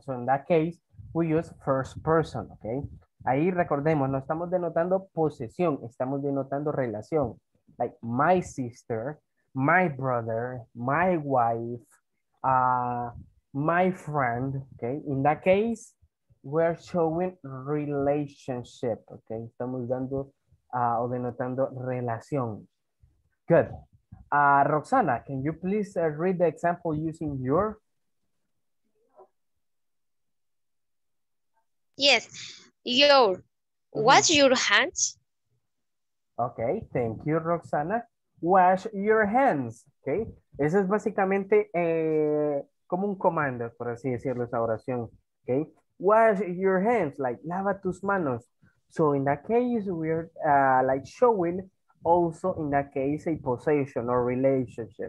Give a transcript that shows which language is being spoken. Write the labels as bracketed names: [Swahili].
[English] So in that case, we use first person, okay? [Spanish] Ahí recordemos, no estamos denotando posesión, estamos denotando relación. [English] Like my sister, my brother, my wife, my friend, okay? In that case, we're showing relationship, okay? [Spanish] Estamos dando o denotando relación. [English] Good. Roxana, can you please read the example using your? Yes, your. Wash your hands. Okay, thank you, Roxana. Wash your hands, okay? [Spanish] Eso es básicamente como un comando, por así decirlo, esa oración, okay? [English] Wash your hands, like [Spanish] lava tus manos. [English] So in that case, we're like showing also in that case a possession or relationship.